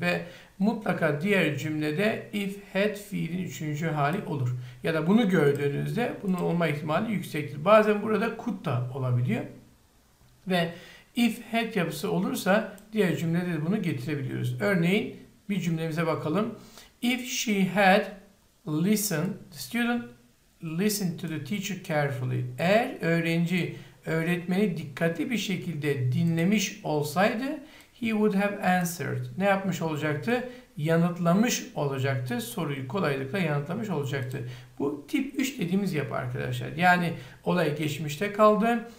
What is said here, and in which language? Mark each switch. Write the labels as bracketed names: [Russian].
[Turkish] Ve mutlaka diğer cümlede if had fiilin üçüncü hali olur. Ya da bunu gördüğünüzde bunun olma ihtimali yüksektir. Bazen burada could da olabiliyor. Ve if had yapısı olursa diğer cümlede de bunu getirebiliyoruz. Örneğin bir cümlemize bakalım. [English] If she had listened, student listened to the teacher carefully. [Turkish] Eğer öğrenci öğretmeni dikkatli bir şekilde dinlemiş olsaydı, [English] he would have answered. [Turkish] Ne yapmış olacaktı? Yanıtlamış olacaktı. Soruyu kolaylıkla yanıtlamış olacaktı. Bu tip 3 dediğimiz yapı arkadaşlar. Yani olay geçmişte kaldı.